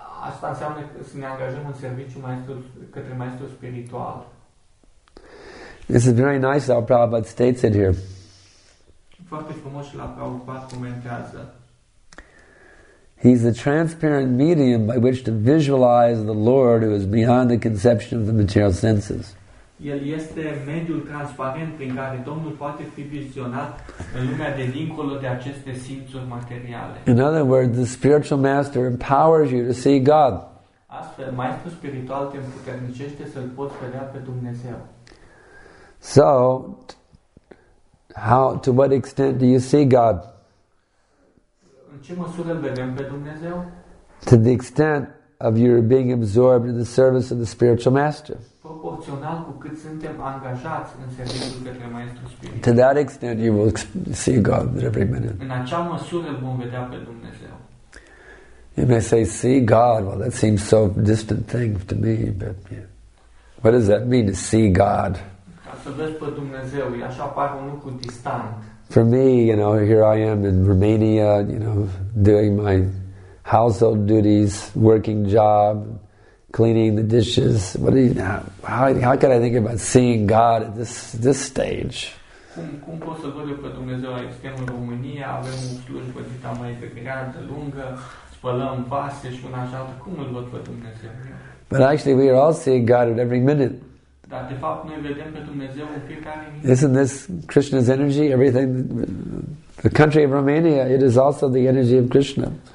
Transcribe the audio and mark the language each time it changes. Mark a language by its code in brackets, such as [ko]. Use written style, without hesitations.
[ro] Asta înseamnă să ne angajăm în serviciu către maestru spiritual. [en] This is very nice how Prabhupada states it here. [ro] Foarte frumos și la Prabhupada comentează. [en] He's the transparent medium by which to visualize the Lord who is beyond the conception of the material senses. [ro] El este mediul transparent prin care Domnul poate fi vizionat în lumea de dincolo de aceste simțuri materiale. [en] In other words, the spiritual master empowers you to see God. [ro] Astfel, maestrul spiritual te împuternicește să-L poți vedea pe Dumnezeu. [en] So, how, to what extent do you see God? [ro] În ce măsură îl vedem pe Dumnezeu? [en] To the extent of your being absorbed in the service of the spiritual master. [ro] Proporțional cu cât suntem angajați în serviciul către maestru spiritual. [en] To that extent you will see God every minute. [ro] În acea măsură vom vedea pe Dumnezeu. [en] You may say, see God, well that seems so distant thing to me, but yeah. What does that mean to see God? [ro] Ca să vezi pe Dumnezeu, e așa pare un lucru distant. [en] For me, you know, here I am in Romania, you know, doing my household duties, working job, cleaning the dishes. What do you, how can I think about seeing God at this stage? [ro] Cum pot să văd eu pe Dumnezeu? Suntem în România, avem o slujbă dita mai de grează, lungă, spălăm vase și una și alta. Cum îl văd pe Dumnezeu? [en] But actually we are all seeing God at every minute. [ro] Dar de fapt noi vedem pe Dumnezeu în fiecare minute. [en] Isn't this Krishna's energy? Everything, the country of Romania, it is also the energy of Krishna.